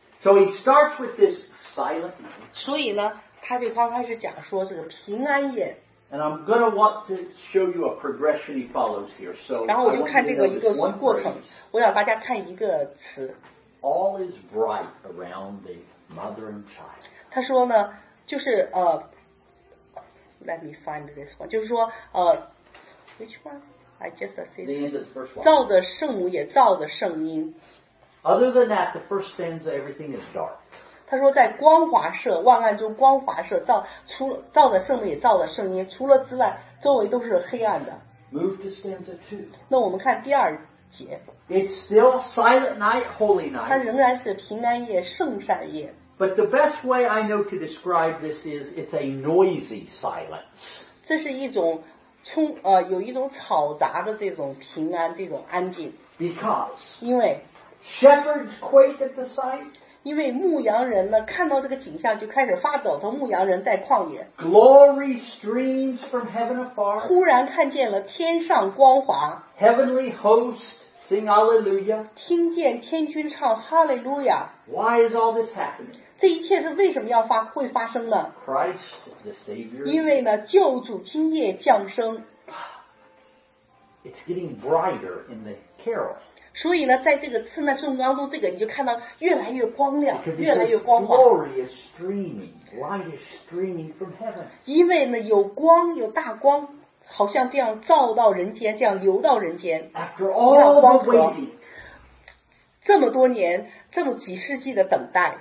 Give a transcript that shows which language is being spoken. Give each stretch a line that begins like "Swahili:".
English: So he starts with this silent.
Chinese: 所以呢，他就刚开始讲说这个平安夜。
English: And I'm going to want to show you a progression he follows here. So
Chinese: 然后我就看这个一个过程，我想大家看一个词。
English: All is bright around the mother and child.
Chinese: 他说呢，就是
English: let me find this one.
Chinese: 就是说
English: which one? I just see the end of the first one.
Chinese: 照着圣母也照着圣婴。
English: Other than that, the first stanza, everything is dark.
Chinese: 他说在光华社万暗中光华社照着圣母也照着圣婴，除了之外，周围都是黑暗的。
English: Move to stanza two.
Chinese: 那我们看第二节。
English: It's still silent night, holy night.
Chinese: 它仍然是平安夜，圣善夜。
English: But the best way I know to describe this is it's a noisy silence.
Chinese: 这是一种。有一种吵杂的这种平安，这种安静。
English: Because.
Chinese: 因为。
English: Shepherds quake at the sight.
Chinese: 因为牧羊人呢，看到这个景象就开始发抖。从牧羊人在旷野。
English: Glory streams from heaven afar.
Chinese: 忽然看见了天上光华。
English: Heavenly hosts sing hallelujah.
Chinese: 听见天君唱哈利路亚。
English: Why is all this happening?
Chinese: 这一切是为什么要会发生呢
English: Christ, the Savior,
Chinese: 因为呢救主今夜降生
English: It's getting brighter in the carol.
Chinese: 所以呢在这个圣诞当中这个你就看到越来越光亮越来越光华
English: Glory is streaming, light is streaming from heaven.
Chinese: 因为呢有光有大光好像这样照到人间这样流到人间
English: After all the waiting,
Chinese: 这么多年，这么几世纪的等待